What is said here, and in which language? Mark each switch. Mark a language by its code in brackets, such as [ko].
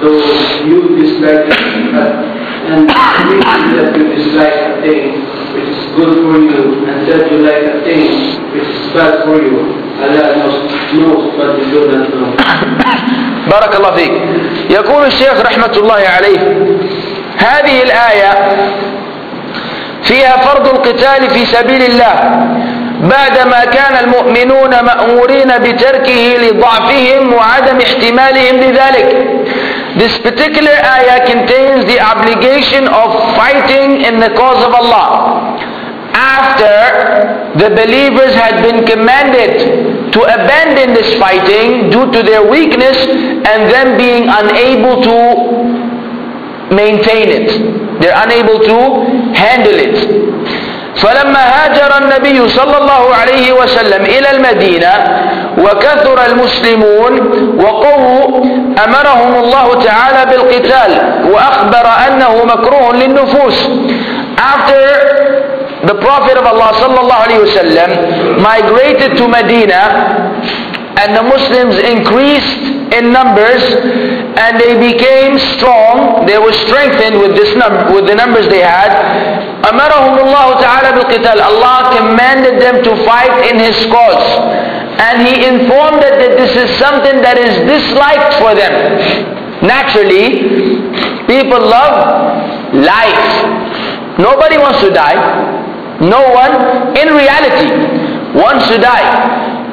[en] Though you dislike a thing which is good for you, and that you like a thing which is bad for you, Allah knows what you do not know. [ar] بارك الله فيك. يقول الشيخ رحمة الله عليه هذه الآية فيها فرض القتال في سبيل الله بعدما كان المؤمنون مأمورين بتركه لضعفهم وعدم احتمالهم لذلك. [en] This particular ayah contains the obligation of fighting in the cause of Allah after the believers had been commanded to abandon this fighting due to their weakness and them being unable to maintain it. They're unable to handle it. [ar] فَلَمَّا هَاجَرَ النَّبِيُّ صَلَّى اللَّهُ عَلَيْهِ وَسَلَّمْ إِلَى الْمَدِينَةِ وَكَثُرَ الْمُسْلِمُونَ وَقَوُّ أَمَرَهُمُ اللَّهُ تَعَالَى بِالْقِتَالِ وَأَخْبَرَ أَنَّهُ مَكْرُوهٌ لِلنُّفُوسِ. [en] After the Prophet of Allah [ar] صَلَّى اللَّهُ عَلَيْهِ وَسَلَّمْ [en] migrated to Medina and the Muslims increased in numbers and they became strong, they were strengthened with this with the numbers they had. [ar] أمرهم الله تعالى بالقتال. [en] Allah commanded them to fight in His cause, and He informed them that this is something that is disliked for them. Naturally, people love life. Nobody wants to die. No one, in reality, wants to die.